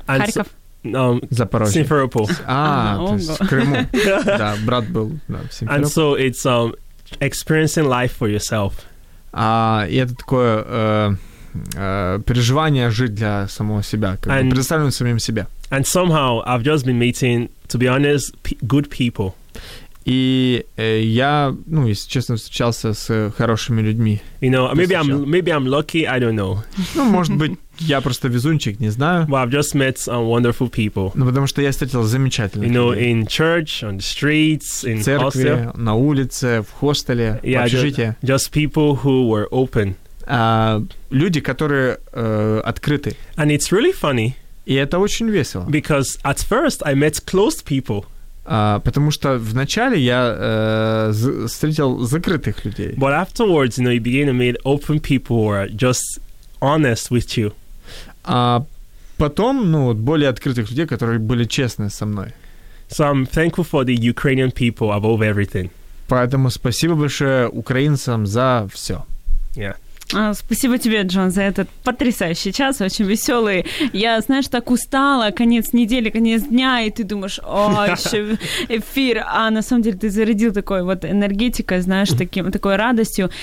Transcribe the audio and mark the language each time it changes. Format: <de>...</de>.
<ru>Харьков. Запорожье. Симферополь. То есть в Крыму. Да, брат был в Симферополе.</ru> <en>And so it's experiencing life for yourself.</en> <ru>И это такое переживание жить для самого себя, как бы представлено самим себя.</ru> <en>And somehow I've just been meeting, to be honest, good people.</en> <ru>И я, ну, если честно, встречался с хорошими людьми.</ru> <en>You know, maybe I'm lucky, I don't know.</en> <ru>Ну, может быть, я просто везунчик, не знаю.</ru> <en>But I've just met some wonderful people.</en> <ru>Ну, потому что я встретил замечательных людей.</ru> <en>You know, in church, on the streets, in hostel.</en> <ru>В церкви, на улице, в хостеле, в общежитии.</ru> <en>Just people who were open.</en> <ru>Люди, которые открыты.</ru> <en>And it's really funny.</en> <ru>И это очень весело.</ru> <en>Because at first I met closed people.</en> <ru>Потому что вначале я встретил закрытых людей.</ru> <en>But afterwards, you know, you begin to meet open people who are just honest with you.</en> <ru>А потом, ну, более открытых людей, которые были честны со мной.</ru> <en>So I'm thankful for the Ukrainian people above everything.</en> <ru>Поэтому спасибо большое украинцам за все.</ru> <en>Yeah.</en> <ru>Спасибо тебе, Джон, за этот потрясающий час, очень веселый. Я, знаешь, так устала, конец недели, конец дня, и ты думаешь, о, еще эфир. А на самом деле ты зарядил такой вот энергетикой, знаешь, таким, такой радостью.</ru>